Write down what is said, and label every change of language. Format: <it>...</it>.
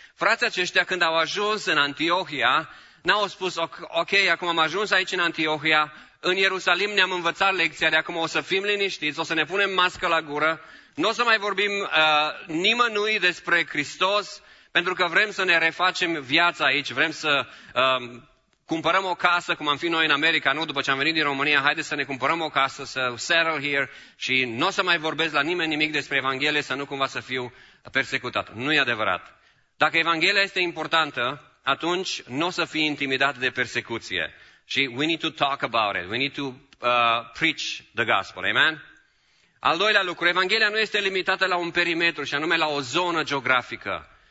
<ro>Frații aceștia când au ajuns în Antiohia, n-au spus, ok, acum am ajuns aici în Antiohia, în Ierusalim ne-am învățat lecția, de acum o să fim liniștiți, o să ne punem mască la gură, nu o să mai vorbim nimănui despre Hristos, pentru că vrem să ne refacem viața aici, vrem să cumpărăm o casă, cum am fi noi în America, nu? După ce am venit din România, haideți să ne cumpărăm o casă, să</ro> <en>settle here</en> <ro>și nu o să mai vorbesc la nimeni nimic despre Evanghelie, să nu cumva să fiu persecutat. Nu e adevărat. Dacă Evanghelia este importantă, atunci nu o să fii intimidat de persecuție.</ro> <en>Și we need to talk about it. We need to preach the gospel.</en> <ro>Amen? Al doilea lucru, Evanghelia nu este limitată la un perimetru, și anume la o zonă geografică.</ro>